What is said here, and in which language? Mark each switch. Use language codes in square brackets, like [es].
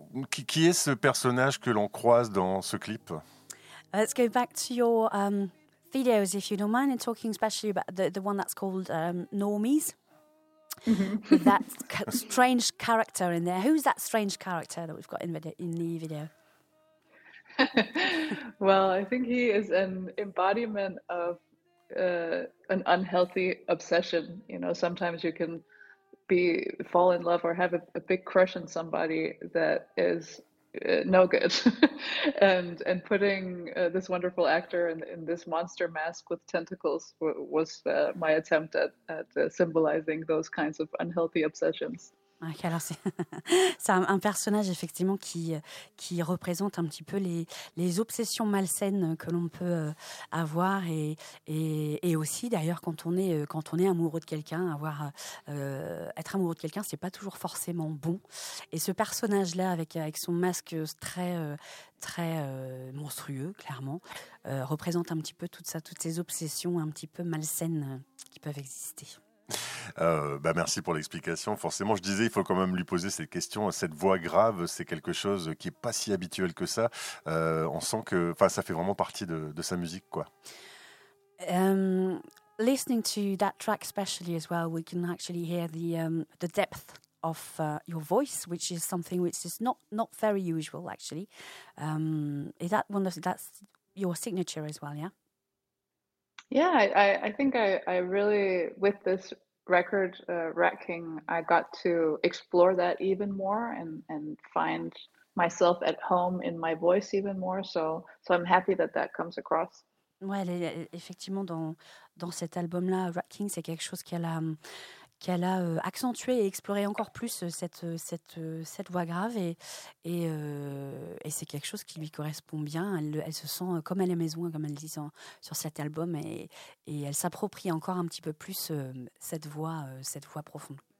[fr] Qui est ce personnage que l'on croise dans ce clip? [en] Let's go back to your videos, if you don't mind, and talking especially about the one that's called Normies. That strange character in there. Who's that strange character that we've got in the video? Well, I think he is an embodiment of an unhealthy obsession. You know, sometimes you can fall in love or have a big crush on somebody that is no good. and putting this wonderful actor in this monster mask with tentacles was my attempt at symbolizing those kinds of unhealthy obsessions. [fr] Okay, alors c'est un personnage effectivement qui représente un petit peu les obsessions malsaines que l'on peut avoir et aussi d'ailleurs quand on est amoureux de quelqu'un, être amoureux de quelqu'un, c'est pas toujours forcément bon. Et ce personnage là avec son masque très monstrueux, clairement, représente un petit peu tout ça, toutes ces obsessions un petit peu malsaines qui peuvent exister. Merci pour l'explication. Forcément, je disais, il faut quand même lui poser cette question. Cette voix grave, c'est quelque chose qui n'est pas si habituel que ça. On sent que ça fait vraiment partie de sa musique, quoi. [en] Listening to that track especially as well, we can actually hear the depth of your voice, which is something which is not very usual, actually. Is that one of that's your signature as well, yeah? Yeah, I think I really, with this record, Rat King, I got to explore that even more and find myself at home in my voice even more. So I'm happy that comes across. [fr] Ouais, effectivement, dans cet album-là, Rat King, c'est quelque chose qu'elle a accentué et exploré encore plus cette voix grave et c'est quelque chose qui lui correspond bien. Elle se sent comme à la maison, comme elle dit sur cet album, et elle s'approprie encore un petit peu plus cette voix profonde.